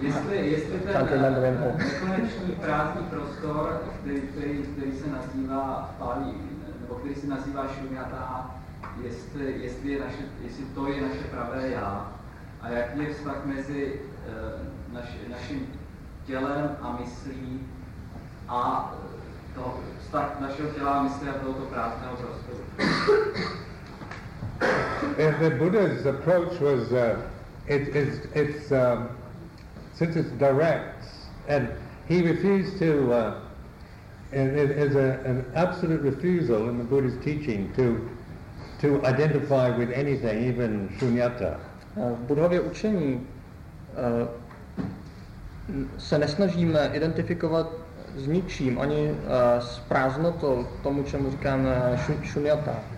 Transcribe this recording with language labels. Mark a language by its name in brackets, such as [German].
[Czech] Jestli ten nekonečný prázdný prostor, který se nazývá Pali, nebo který se nazývá Šumjata, jestli to je naše pravé já, a jak je vztah mezi naším tělem a myslí a to vztah našeho těla a myslí a tohoto prázdného prostoru. [English] If the Buddha's approach was since it's direct, and he refused to, an absolute refusal in the Buddha's teaching to identify with anything, even shunyata. [Czech] V Buddhově učení se nesnažíme identifikovat s ničím, ani s prázdnotou, tomu, čemu říkáme shunyata.